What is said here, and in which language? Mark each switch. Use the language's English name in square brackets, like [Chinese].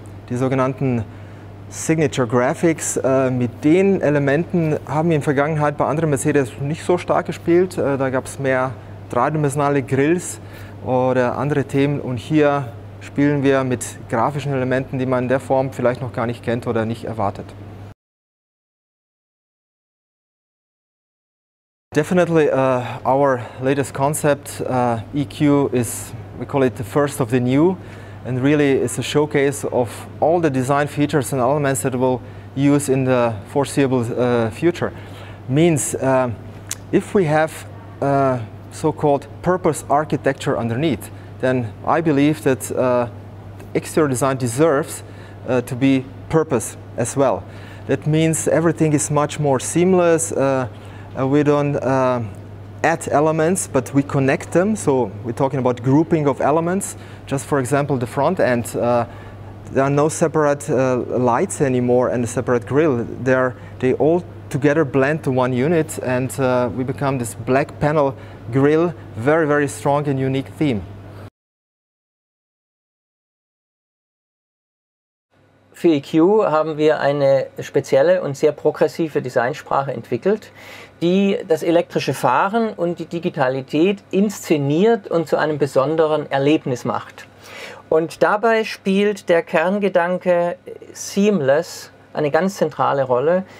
[German] Die sogenannten Signature Graphics, mit den Elementen haben wir in Vergangenheit bei anderen Mercedes nicht so stark gespielt. Da gab es mehr dreidimensionale Grills oder andere Themen und hier spielen wir mit grafischen Elementen, die man in der Form vielleicht noch gar nicht kennt oder nicht erwartet. [English] Definitely our latest concept, EQ, is, we call it the first of the new, and really it's a showcase of all the design features and elements that we'll use in the foreseeable future. Means if we have so-called purpose architecture underneath, then I believe that the exterior design deserves to be purpose as well. That means everything is much more seamless. We don't add elements, but we connect them. So we're talking about grouping of elements. Just for example, the front end, there are no separate lights anymore and a separate grille. They all together blend to one unit and we become this black panel grille, very, very strong and unique theme. [German] Für EQ haben wir eine spezielle und sehr progressive Designsprache entwickelt, die das elektrische Fahren und die Digitalität inszeniert und zu einem besonderen Erlebnis macht. Und dabei spielt der Kerngedanke Seamless eine ganz zentrale Rolle.